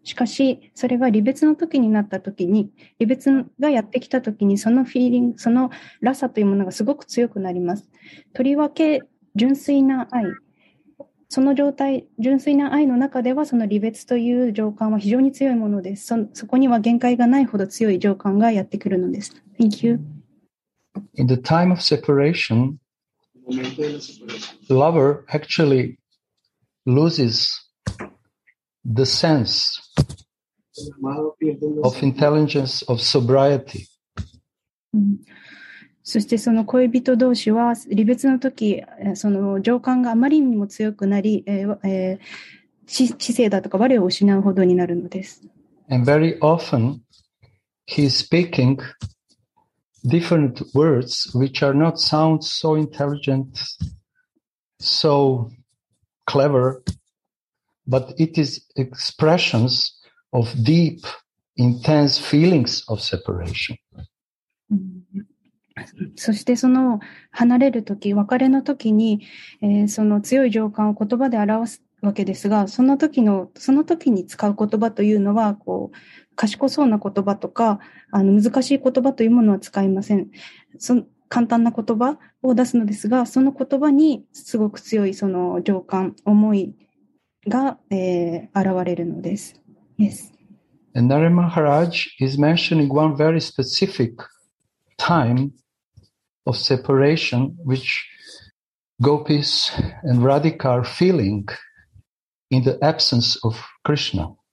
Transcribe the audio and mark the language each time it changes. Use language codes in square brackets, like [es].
[ja] しかし、それが離別のときになったときに、離別がやってきたときに、そのフィーリング、そのラサというものがすごく強くなります。とりわけ純粋な愛、その状態、純粋な愛の中では、その離別という情感は非常に強いものです。そこには限界がないほど強い情感がやってくるのです。 [en] Thank you. In the time of separation, the lover actually loses the sense of intelligence, of sobriety. [ja] そしてその恋人同士は離別の時その情感があまりにも強くなり、知性だとか我を失うほどになるのです。 [en] And very often he is speaking different words which are not sound so intelligent, so clever, but it is expressions of deep, intense feelings of separation. [ja] そしてその離れるとき別れのときに、その強い情感を言葉で表すわけですが、その時に使う言葉というのはこう賢そうな言葉とか難しい言葉というものは使いません。簡単な言葉を出すのですが、その言葉にすごく強いその情感思いが、現れるのです。 [en] Yes. And Narayana Maharaj is mentioning one very specificTime of separation, which gopis and Radhika are feeling in the absence of Krishna.